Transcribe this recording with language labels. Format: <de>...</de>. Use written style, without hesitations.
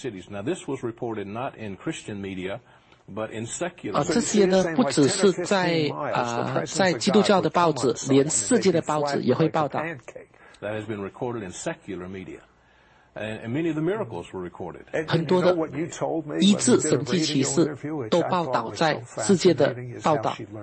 <en>Now this was reported not in Christian media, but in secular.</en> <zh>这些呢，不只是在基督教的报纸，连世界的报纸也会报道。</zh> <en>That has been recorded in secular media. And many of the miracles were recorded.</en> <zh>很多的医治神迹奇事都报道在世界的报道。</zh>